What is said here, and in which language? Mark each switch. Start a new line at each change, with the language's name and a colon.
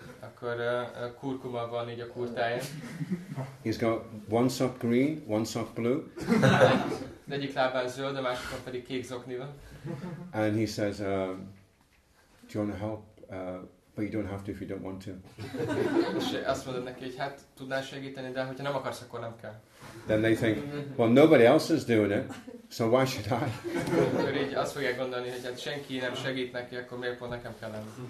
Hungarian: Akkor kurkuma van így a kurtáján.
English: He's got one sock green, one sock blue.
Hungarian: De egyik lábán zöld, a másikon pedig kék zokni van.
English: And he says, do you want to help? But you don't have to if you don't want to.
Hungarian: És azt mondod neki, hogy hát tudnál segíteni, de hogyha nem akarsz, akkor nem kell.
English: Then they think, well, nobody else is doing it, so why should I?
Hungarian: Akkor így azt fogják gondolni, hogy hát senki nem segít neki, akkor miért pont nekem kellene.